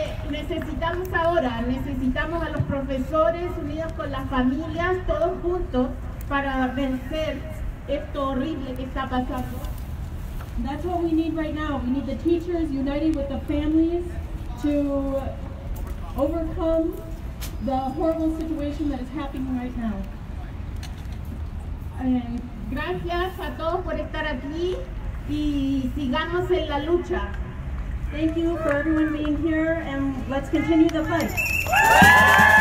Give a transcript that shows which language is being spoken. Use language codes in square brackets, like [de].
[es] Necesitamos ahora, necesitamos a los profesores unidos con las familias, todos juntos, para vencer esto horrible que está pasando. [en] That's what we need right now. We need the teachers united with the families to overcome the horrible situation that is happening right now. [es] Gracias a todos por estar aquí y sigamos en la lucha. [en] Thank you for everyone being here, and let's continue the fight.